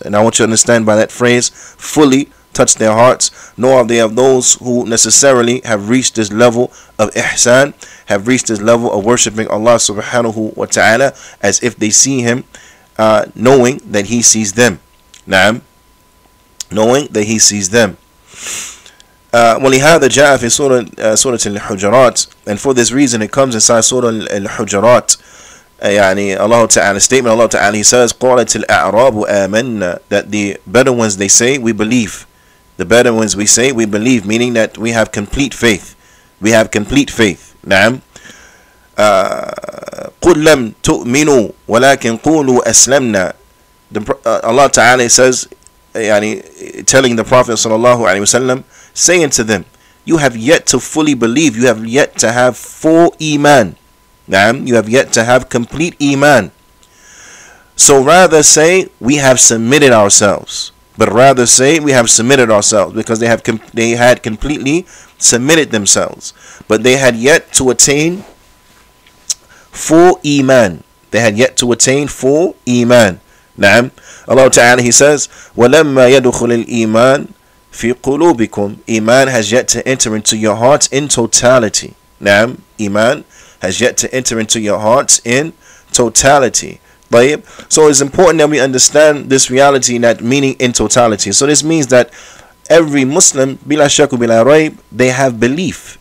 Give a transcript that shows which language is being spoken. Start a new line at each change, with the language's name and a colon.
English: And I want you to understand by that phrase, fully touched their hearts, nor are they of those who necessarily have reached this level of ihsan, have reached this level of worshipping Allah subhanahu wa ta'ala as if they see him, knowing that he sees them. Naam. Knowing that he sees them.
Arabic: ولهذا جاء في سورة الحجرات.
English: And for this reason, it comes inside
Arabic: سورة الحجرات. يعني الله تعالى
English: statement,
Arabic: الله تعالى,
English: he says,
Arabic: قالت الأعراب آمنا,
English: that the better ones, they say, we believe. The better ones, we say, we believe, meaning that we have complete faith. We have complete faith. Naam.
Arabic: قُلْ لَمْ تُؤْمِنُوا وَلَكِنْ قُولُوا أَسْلَمْنَا.
English: Allah Ta'ala says, يعني, telling the Prophet sallallahu alayhi wasallam, saying to them, you have yet to fully believe. You have yet to have full iman. Naam. You have yet to have complete iman. So rather say, we have submitted ourselves. but rather say we have submitted ourselves, because they had completely submitted themselves, but they had yet to attain full iman. They had yet to attain full iman. Naam. Allah Ta'ala, he says,
Arabic: وَلَمَّا يَدُخُلِ الْإِيمَانِ فِي قُلُوبِكُمْ.
English: Iman has yet to enter into your hearts in totality. Naam. Iman has yet to enter into your hearts in totality.
Arabic: طيب.
English: So it's important that we understand this reality, that meaning in totality. So this means that every Muslim,
Arabic: بِلَا شَكُ بِلَا رَيْبِ,
English: they have belief.